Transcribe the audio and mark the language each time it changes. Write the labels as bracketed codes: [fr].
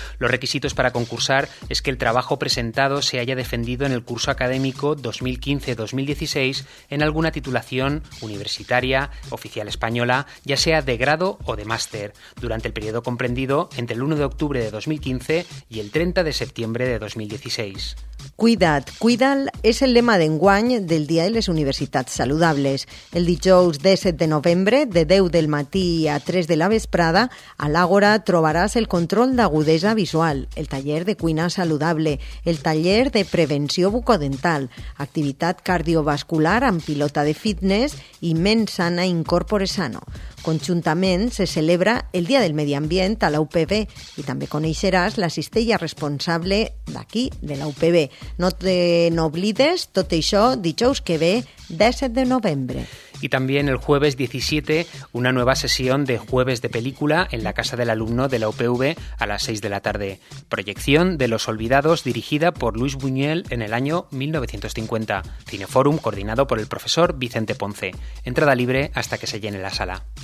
[es] Los requisitos para concursar es que el trabajo presentado se haya defendido en el curso académico 2015-2016 en alguna titulación universitaria, oficial española, ya sea de grado o de máster, durante el periodo comprendido entre el 1 de octubre de 2015 y el 30 de septiembre de 2016. [ca] Cuida't, cuida'l és el lema d'enguany del Dia de les Universitats Saludables. El dijous 17 de novembre, de 10 del matí a 3 de la vesprada, a l'Àgora trobaràs el control d'agudesa visual, el taller de cuina saludable, el taller de prevenció bucodental, activitat cardiovascular amb pilota de fitness i ment sana incorpore sano. Conjuntament se celebra el Dia del Medi Ambient a la UPB i també coneixeràs la cistella responsable d'aquí, de la UPB. No te n'oblides, tot això dijous que ve, 17 de novembre. [es] Y también el jueves 17, una nueva sesión de Jueves de Película en la Casa del Alumno de la UPV a las 6 de la tarde. Proyección de Los Olvidados, dirigida por Luis Buñuel en el año 1950. Cineforum coordinado por el profesor Vicente Ponce. Entrada libre hasta que se llene la sala.